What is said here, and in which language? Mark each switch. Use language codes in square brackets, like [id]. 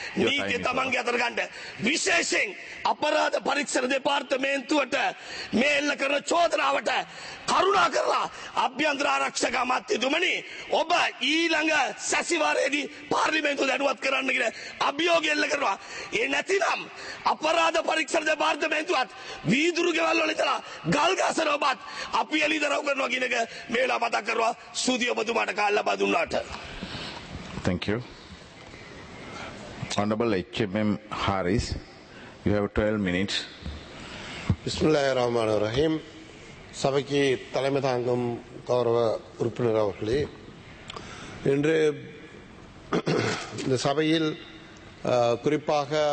[si] නීතිය තමන්ගේ අතට ගන්න විශේෂයෙන් අපරාධ පරීක්ෂණ දෙපාර්තමේන්තුවට මේ එල්ල කරන චෝදනාවට කරුණා කරලා අභ්‍යන්තර ආරක්ෂක අමාත්‍යතුමනි ඔබ ඊළඟ සැසිවාරයේදී පාර්ලිමේන්තුව දැනුවත් කරන්න කියලා අභියෝගය එල්ල කරනවා. ඒ නැතිනම් අපරාධ පරීක්ෂණ දෙපාර්තමේන්තුවත් වීදුරු ගෙවල් වල ඉඳලා ගල් ගැසන ඔබත් අපි එළිදරව් කරනවා කියන එක මේ වෙලාව මතක් කරවා. සුදී ඔබතුමාට කල් ලබා දුන්නාට [en] Thank you. Honorable HMM Harris, you have 12 minutes. [ar] Bismillah ar-Rahman ar-Rahim. [ta] சபைக்கு தலைமை தாங்கும் கௌரவ உறுப்பினர் அவர்களே, இன்று இந்த சபையில் குறிப்பாக